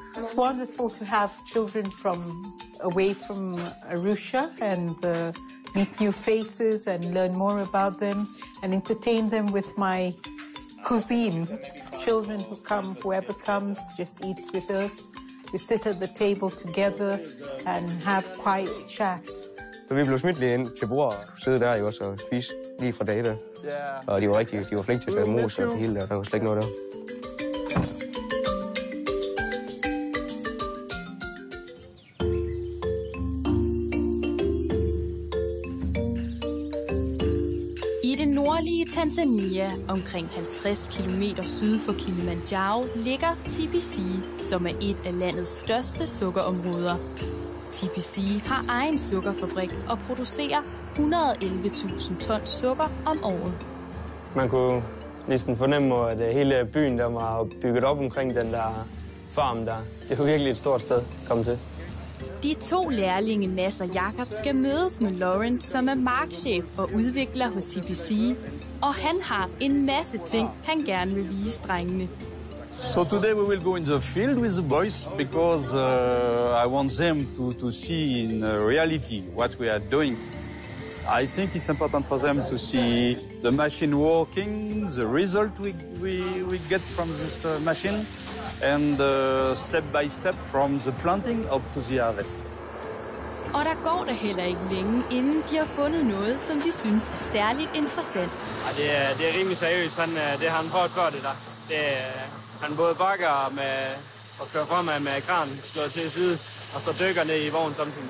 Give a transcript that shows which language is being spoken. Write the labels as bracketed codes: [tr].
[en] It's wonderful to have children from away from Arusha and meet new faces and learn more about them and entertain them with my cuisine. Children who come, whoever comes, just eats with us. We sit at the table together and have quiet chats. [da] Så vi blev smidt lige ind til bordet og skulle sidde der jo også og spise lige fra dag der. Og de var rigtig, de var flinke til at tage mos og det hele der. Der var slet ikke noget der. I det nordlige Tanzania, omkring 50 km syd for Kilimanjaro, ligger TBC, som er et af landets største sukkerområder. TPC har egen sukkerfabrik og producerer 111.000 ton sukker om året. Man kunne næsten fornemme, at hele byen der var bygget op omkring den der farm der. Det var virkelig et stort sted at komme til. De to lærlinge, Nas og Jakob, skal mødes med Lauren, som er markchef og udvikler hos TPC. Og han har en masse ting, han gerne vil vise drengene. [en] So today we will go in the field with the boys because I want them to see in reality what we are doing. I think it's important for them to see the machine working, the result we get from this machine, and step by step from the planting up to the harvest. [da] Og der går der heller ikke længe, inden de har fundet noget, som de synes er særligt interessant. Ja, det er rimelig seriøst. Det har han prøvet før, det der. Han både bakker med og kører frem med kranen slået til side, og så dykker ned i vognen samtidig.